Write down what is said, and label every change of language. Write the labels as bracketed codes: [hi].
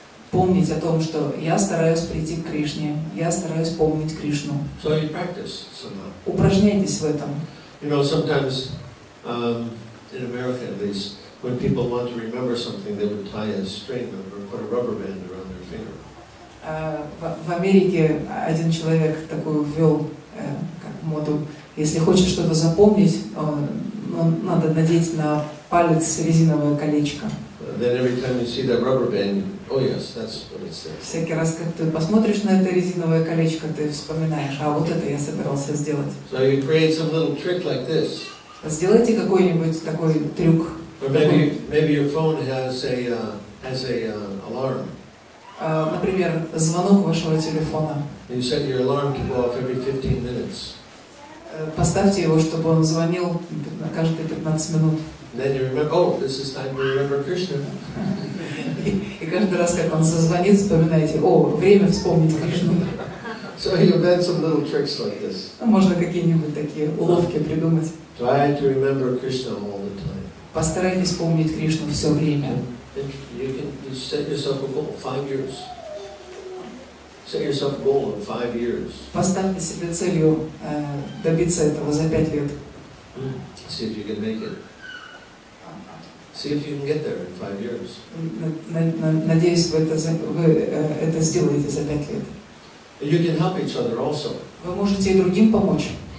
[ru] Помнить о том, что я стараюсь прийти к Кришне, я стараюсь помнить Кришну. [en] So you practice somehow. [ru] Упражняйтесь в этом. [en] You know, sometimes, in America at least, when people want to remember something, they would tie a string or put a rubber band around their finger. [ru] В Америке один человек такую ввел как моду. Если хочешь что-то запомнить, надо надеть на палец резиновое колечко. [en] then every time you see that rubber band, oh yes, that's what it says. [ru] Всякий раз, как ты посмотришь на это резиновое колечко, ты вспоминаешь, а вот это я собирался сделать. [en] So you create some little trick like this. [ru] Сделайте какой-нибудь такой трюк. [en] Or maybe your phone has an alarm. [ru] Например, звонок вашего телефона. [en] You set your alarm to go off every 15 minutes. [ru] Поставьте его, чтобы он звонил на каждые 15 минут. [en] Then you remember, oh, this is time to remember Krishna. [ru] И каждый раз, как он зазвонит, вспоминайте, о, время вспомнить Кришну. [en] So you invent some little tricks like this. [ru] Можно какие-нибудь такие уловки придумать. [en] Try to remember Krishna all the time. [ru] Постарайтесь помнить Кришну все время. [en] You can set yourself a goal of 5 years. Set yourself a goal of 5 years. [ru] Поставьте себе целью добиться этого за 5 лет. [en] See if you can make it. See if you can get there in 5 years. [ru] Надеюсь, вы это сделаете за 5 лет. [en] You can help each other also. [ru] Вы можете и другим помочь.